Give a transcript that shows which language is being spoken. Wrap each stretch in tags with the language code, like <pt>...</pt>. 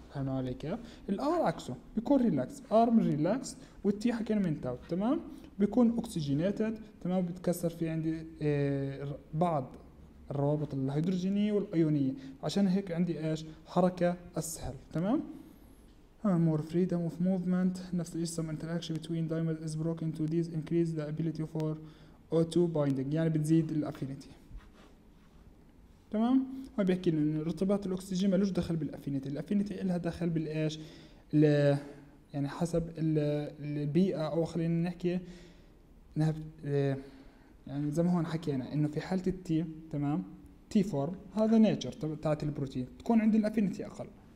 <ar>فهم عليك؟ الار عكسه بيكون ريلاكس، ار من ريلاكس والتي حكينا من تاوت تمام، بيكون اوكسجينيتد تمام، بتكسر في عندي بعض الروابط الهيدروجينيه والايونيه، عشان هيك عندي ايش حركه اسهل تمام.</ar> <en>More freedom of movement،</en> <ar>نفس الشيء</ar> <en>some interaction between dimers is broken to these increase the ability for O2 binding</en> <ar>يعني بتزيد الافينيتي تمام. هو بيحكي انه ارتباط الاكسجين مالوش دخل بالافينيتي، الافينيتي لها دخل بالايش يعني حسب البيئه، او خلينا نحكي يعني زي ما هون حكينا انه في حاله التي تمام تي فورم هذا نيتشر تاعت البروتين تكون عند الافينيتي اقل.</ar>